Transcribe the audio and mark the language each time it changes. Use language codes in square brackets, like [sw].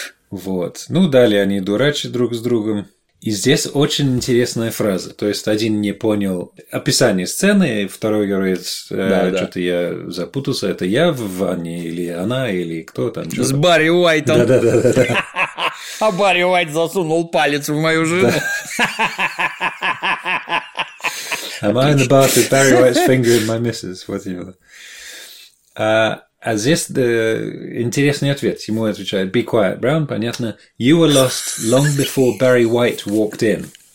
[ru] Вот. Ну, далее они дурачат друг с другом. И здесь очень интересная фраза. То есть, один не понял описание сцены, второй говорит, что-то я запутался, это я в ванне, или она, или кто там. С Барри Уайтом. Да-да-да. А Барри Уайт засунул палец в мою жену. [en] Am I in the bath with Barry White's finger in my missus? [ru] Вот его. А здесь интересный ответ. Ему отвечает, [en] be quiet, Brown, [ru] понятно. [en] You were lost long before Barry White walked in.